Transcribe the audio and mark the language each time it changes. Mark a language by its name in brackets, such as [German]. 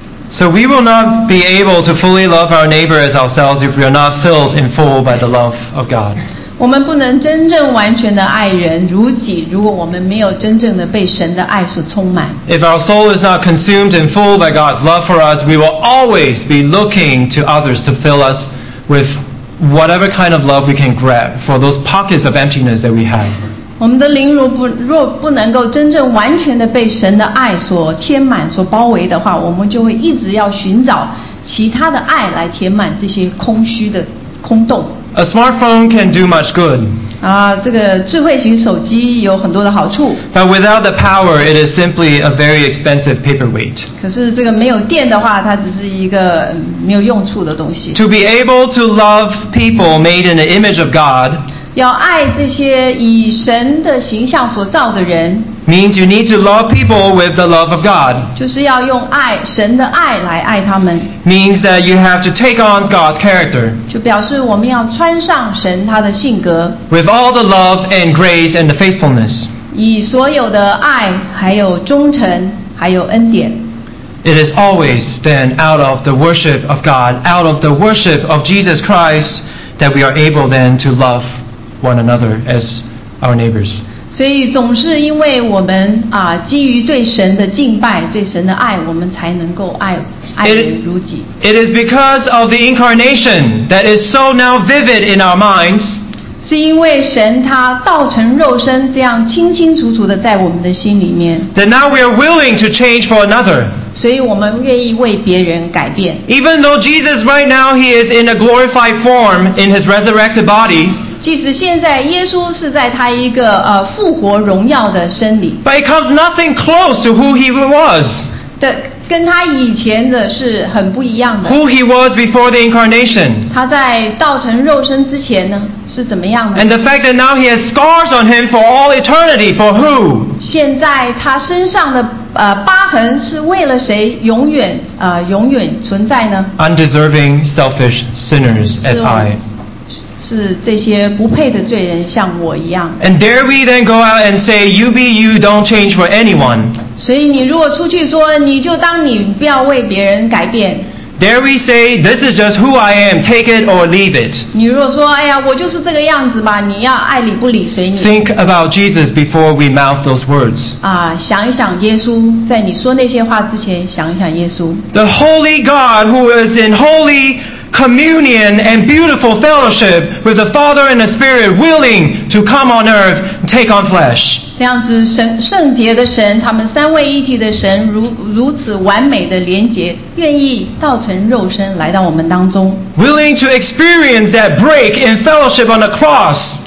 [English] So we will not be able to fully love our neighbor as ourselves if we are not filled in full by the love of God. [Chinese] 我们不能真正完全的爱人如己，如果我们没有真正的被神的爱所充满。 [English] If our soul is not consumed and full by God's love for us, we will always be looking to others to fill us with whatever kind of love we can grab for those pockets of emptiness that we have. [Chinese] 我们的灵若不能够真正完全的被神的爱所填满、所包围的话，我们就会一直要寻找其他的爱来填满这些空虚的空洞。 [English] A smartphone can do much good. [Chinese] 啊，这个智慧型手机有很多的好处。 [English] But without the power, it is simply a very expensive paperweight. [Chinese] 可是这个没有电的话，它只是一个没有用处的东西。 [English] To be able to love people made in the image of God. [Chinese] 要爱这些以神的形象所造的人。 [English] Means you need to love people with the love of God. [Chinese] 就是要用爱神的爱来爱他们。 [English] Means that you have to take on God's character. [Chinese] 就表示我们要穿上神他的性格。 [English] With all the love and grace and the faithfulness. [Chinese] 以所有的爱，还有忠诚，还有恩典。 [English] It is always then out of the worship of God, out of the worship of Jesus Christ, that we are able then to love one another as our neighbors. [Chinese] 所以总是因为我们啊，基于对神的敬拜、对神的爱，我们才能够爱如己。 [English] It is because of the incarnation that is so now vivid in our minds. [Chinese] 是因为神他道成肉身，这样清清楚楚的在我们的心里面。 [English] That now we are willing to change for another. [Chinese] 所以我们愿意为别人改变。 [English] Even though Jesus right now he is in a glorified form in his resurrected body. [Chinese] 即使现在耶稣是在他一个复活荣耀的身体 [English] But it comes nothing close to who he was [Chinese] 跟他以前的是很不一样的 [English] Who he was before the incarnation [Chinese] 他在道成肉身之前呢是怎么样的 [English] And the fact that now he has scars on him for all eternity for who [Chinese] 现在他身上的疤痕是为了谁永远存在呢 [English] Undeserving selfish sinners as I [Chinese] 是这些不配的罪人像我一样 [English] And dare we then go out and say You be you, don't change for anyone [Chinese] 所以你如果出去说你就当你不要为别人改变 [English] Dare we say This is just who I am, take it or leave it [Chinese] 你如果说哎呀我就是这个样子吧你要爱理不理随你 [English] Think about Jesus before we mouth those words [Chinese] 啊，想一想耶稣在你说那些话之前想一想耶稣 [English] The holy God who is in holy communion and beautiful fellowship with the Father and the Spirit willing to come on earth and take on flesh [Chinese] 这样子圣洁的神他们三位一体的神 如此完美的连结愿意道成肉身来到我们当中 [English] willing to experience that break in fellowship on the cross